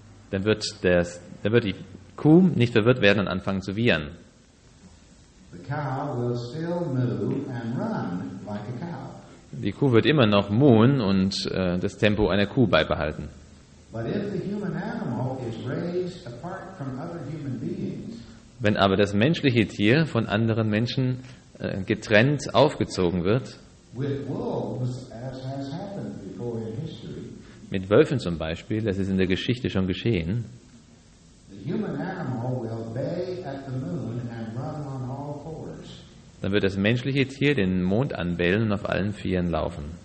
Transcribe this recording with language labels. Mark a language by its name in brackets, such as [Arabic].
[German] dann wird die Kuh nicht verwirrt werden und anfangen zu wiehern. [English] The cow will still move and run like a cow. [German] Die Kuh wird immer noch muhen und das Tempo einer Kuh beibehalten. [English] But if the human animal is raised apart from other human beings, [German] wenn aber das menschliche Tier von anderen Menschen getrennt aufgezogen wird, [English] with wolves, as has happened before in history, [German] mit Wölfen zum Beispiel, das ist in der Geschichte schon geschehen, [English] the human animal will bay at the moon and run on all fours. [German] Dann wird das menschliche Tier den Mond anbellen und auf allen Vieren laufen.